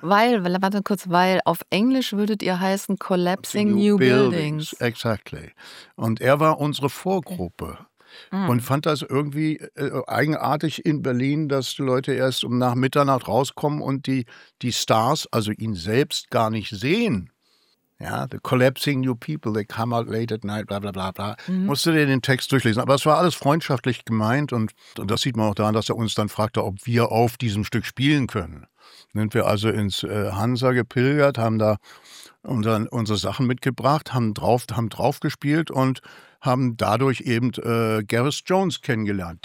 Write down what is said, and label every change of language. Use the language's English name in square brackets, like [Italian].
[German] Weil auf Englisch würdet ihr heißen Collapsing New Buildings. [English] Exactly. [German] Und er war unsere Vorgruppe. Okay. Und fand das irgendwie eigenartig in Berlin, dass die Leute erst um nach Mitternacht rauskommen und die Stars, also ihn selbst, gar nicht sehen. [English] Ja, the collapsing new people, they come out late at night, bla bla bla bla. [German] Musste dir den Text durchlesen. Aber es war alles freundschaftlich gemeint und das sieht man auch daran, dass er uns dann fragte, ob wir auf diesem Stück spielen können. Sind wir also ins Hansa gepilgert, haben da unsere Sachen mitgebracht, haben drauf gespielt und haben dadurch eben Gareth Jones kennengelernt.